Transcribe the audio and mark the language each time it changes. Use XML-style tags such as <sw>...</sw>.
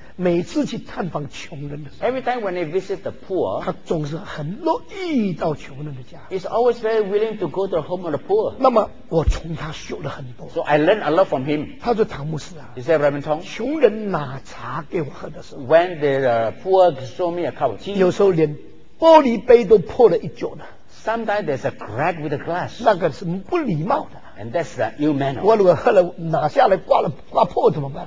<zh>每次去探访穷人的时候，</zh> <en>every time when he visits the poor，</en> <zh>他总是很乐意到穷人的家，</zh> <en>he's always very willing to go to the home of the poor。</en> <zh>那么我从他学了很多，</zh> <en>so I learned a lot from him。</en> <zh>他说唐牧师啊，</zh> <en>he said Reverend Tong，</en> <zh>穷人拿茶给我喝的时候，</zh> <en>when the poor show me a cup of tea，</en> <zh>有时候连玻璃杯都破了一角呢，</zh> <en>sometimes there's a crack with the glass，</en> <zh>那个是不礼貌的。</zh> <en>And that's the ill manner。</en> <zh>我如果喝了拿下来挂了挂破怎么办？</zh>